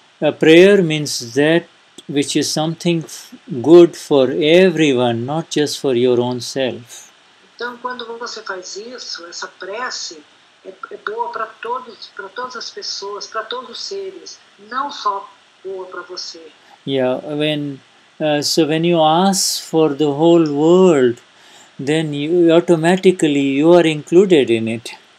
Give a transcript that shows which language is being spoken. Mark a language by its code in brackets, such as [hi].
[en] A prayer means that which is something good for everyone, not just for your own self. [pt] Então, quando você faz isso, essa prece. É boa para todos, para todas as pessoas, para todos os seres, não só boa para você. [en] Yeah, when you ask for the whole world, then you automatically you are included in it.